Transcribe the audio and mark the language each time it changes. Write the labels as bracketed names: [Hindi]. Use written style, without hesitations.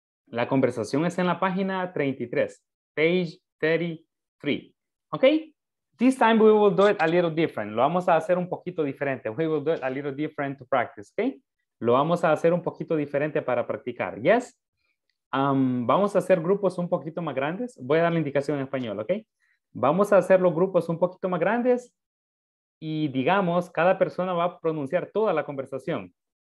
[Spanish] La conversación está en la página 33, page 33, ¿ok? [English] This time we will do it a little different. [Spanish] Lo vamos a hacer un poquito diferente. [English] We will do it a little different to practice, [Spanish] ¿ok? Lo vamos a hacer un poquito diferente para practicar, ¿yes? Vamos a hacer grupos un poquito más grandes. Voy a dar la indicación en español, ¿ok? Vamos a hacer los grupos un poquito más grandes y digamos, cada persona va a pronunciar toda la conversación.